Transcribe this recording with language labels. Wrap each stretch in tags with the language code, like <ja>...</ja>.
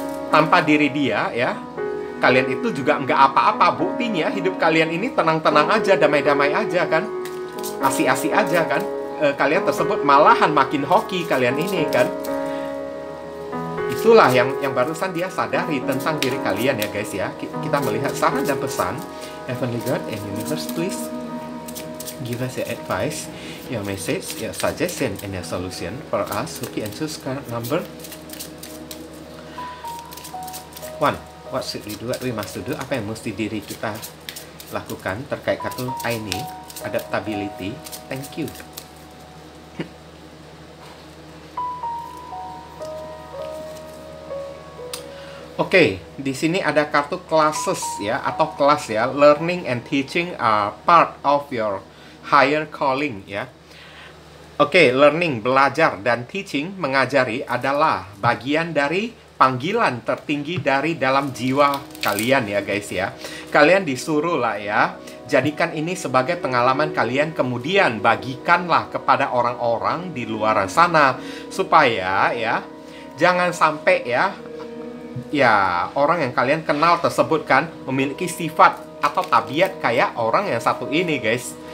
<id>Tanpa diri dia ya, kalian itu juga nggak apa-apa. Buktinya hidup kalian ini tenang-tenang aja, damai-damai aja kan, asik-asik aja kan. Kalian tersebut malahan makin hoki kalian ini kan. Itulah yang barusan dia sadari tentang diri kalian ya, guys ya. Kita melihat saran dan pesan.</id> <en>Heavenly God and Universe, please give us your advice, your message, your suggestion, and your solution for us. Hoki and Sus, card number 1. What should we do? What we must do?</en> <id>Apa yang mesti diri kita lakukan terkait kartu ini?</id> <en>Adaptability. Thank you.</en> <id>Okay, di sini ada kartu classes ya, atau kelas ya.</id> <en>Learning and teaching are part of your higher calling ya.</en> <id>Okay, learning, belajar, dan teaching, mengajari adalah bagian dari panggilan tertinggi dari dalam jiwa kalian ya guys ya. Kalian disuruh lah ya, jadikan ini sebagai pengalaman kalian, kemudian bagikanlah kepada orang-orang di luar sana, supaya ya, jangan sampai ya, ya orang yang kalian kenal tersebut kan memiliki sifat atau tabiat kayak orang yang satu ini guys.</id>